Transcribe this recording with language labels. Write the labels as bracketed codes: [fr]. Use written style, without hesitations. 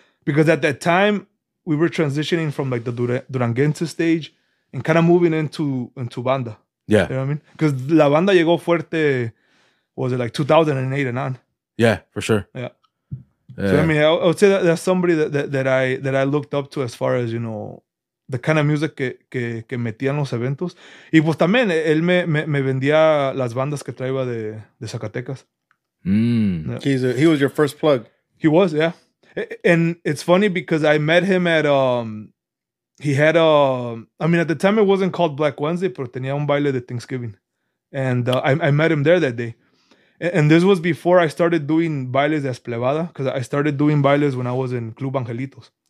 [en] Because at that time, we were transitioning from like the Duranguense stage and kind of moving into banda. Yeah. You know what I mean? Because [es] la banda llegó fuerte, [en] was it like 2008 and on? Yeah, for sure. Yeah. So, I mean, I would say that's somebody that I looked up to as far as, you know, the kind of music [es] que metía en los eventos. Y pues también, él me vendía las bandas que traía de Zacatecas. Mm. [en] Yeah. He was your first plug. He was, yeah. And it's funny because I met him at, he had a, I mean, at the time it wasn't called Black Wednesday, [es] pero tenía un baile de Thanksgiving. [en] And I met him there that day. And this was before I started doing bailes de Esplevada, because I started doing bailes when I was in Club Angelitos.